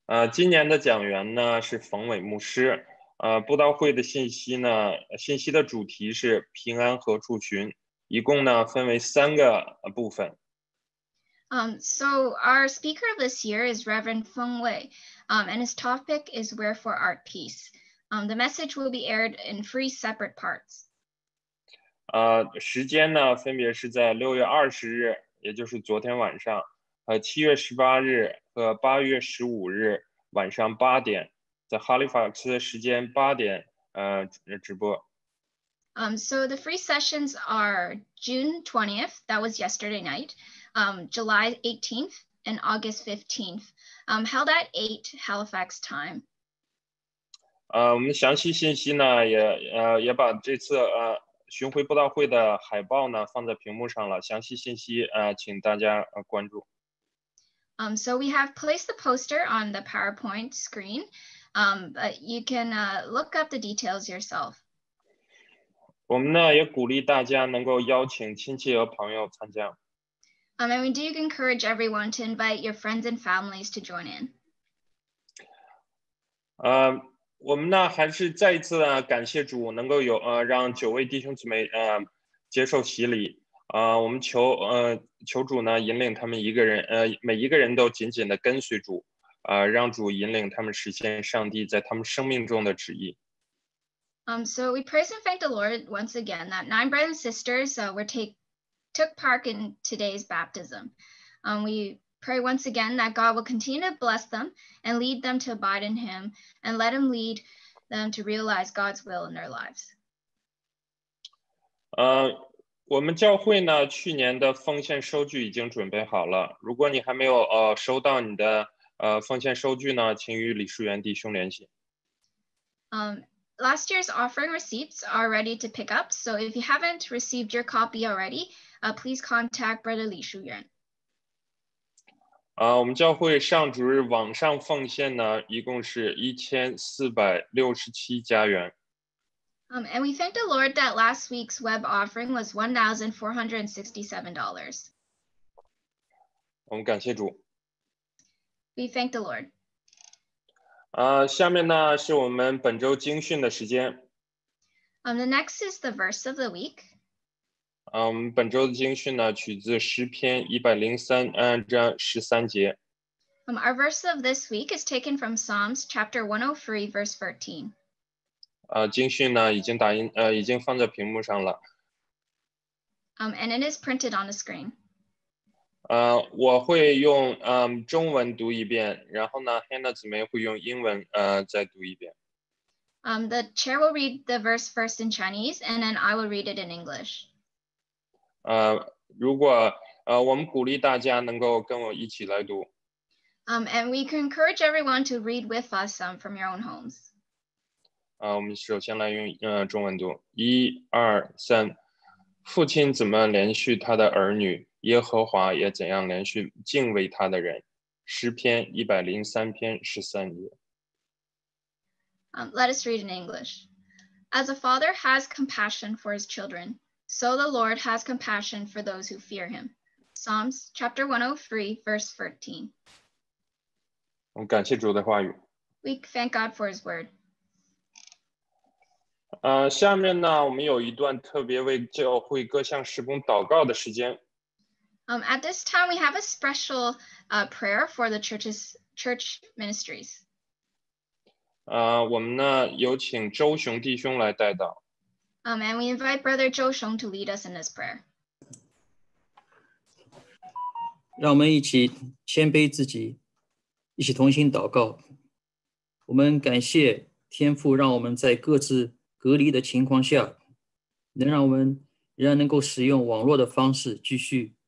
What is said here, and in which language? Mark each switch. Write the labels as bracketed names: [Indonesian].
[Chinese] 今年的讲员呢是冯伟牧师。布道会的信息呢，信息的主题是平安何处寻，一共呢分为三个部分。 [English] So our speaker of this year is Reverend Feng Wei, and his topic is Wherefore Art Peace. The message will be aired in three separate parts. [Chinese] 时间呢，分别是在6月20日，也就是昨天晚上，7月18日和8月15日晚上8点，在 Halifax 时间8点，直播。 [English] So the three sessions are June 20th, that was yesterday night, July 18th, and August 15th, held at 8 Halifax time. [Chinese] 我们详细信息呢，也把这次巡回布道会的海报呢放在屏幕上了，详细信息请大家关注。 [English] So we have placed the poster on the PowerPoint screen, but you can look up the details yourself. [Chinese] 我们呢也鼓励大家能够邀请亲戚和朋友参加。 [English] And we do encourage everyone to invite your friends and families to join in. [Chinese] 我们呢还是再一次感谢主能够让九位弟兄姊妹接受洗礼。我们求求主呢引领他们一个人每一个人都紧紧的跟随主让主引领他们实现上帝在他们生命中的旨意。 [English] So we praise and thank the Lord once again that nine brothers and sisters took part in today's baptism. We pray once again that God will continue to bless them and lead them to abide in him and let him lead them to realize God's will in their lives. [Chinese] 我们教会呢去年的奉献收据已经准备好了。如果你还没有收到你的奉献收据呢请与李淑媛弟兄联系。 [English] Last year's offering receipts are ready to pick up, so if you haven't received your copy already, please contact Brother Li Shuyuan. [Chinese] 我们教会上主日网上奉献呢，一共是1467加元。 [English] And we thank the Lord that last week's web offering was $1,467. [Chinese] 我们感谢主。 [English] We thank the Lord. [Chinese] 下面呢是我们本周经训的时间。 [English] The next is the verse of the week. [Chinese] 本周的经训呢取自诗篇103:13。 [English] Our verse of this week is taken from Psalms chapter 103 verse 13. [Chinese] 经训呢已经打印已经放在屏幕上了。 [English] And it is printed on the screen. [Chinese] 我会用中文读一遍，然后呢 ，Hannah 姊妹会用英文再读一遍。 [English] The chair will read the verse first in Chinese, and then I will read it in English. [Chinese] 如果我们鼓励大家能够跟我一起来读。 [English] And we can encourage everyone to read with us from your own homes. [Chinese] 我们首先来用中文读，一二三，父亲怎么连续他的儿女？耶和华也怎样连续敬畏他的人，诗篇103:13。 [English] Let us read in English. As a father has compassion for his children, so the Lord has compassion for those who fear him. Psalms chapter 103:13. [Chinese] 我们感谢主的话语。 [English] We thank God for his word. [Chinese] 下面呢，我们有一段特别为教会各项事工祷告的时间。 [English] At this time, we have a special prayer for the church ministries. [Chinese] 我们呢有请周雄弟兄来带祷。 [English] And we invite Brother 周雄 to lead us in this prayer. [Chinese] 让我们一起谦卑自己，一起同心祷告。我们感谢天父，让我们在各自隔离的情况下，能让我们仍然能够使用网络的方式继续。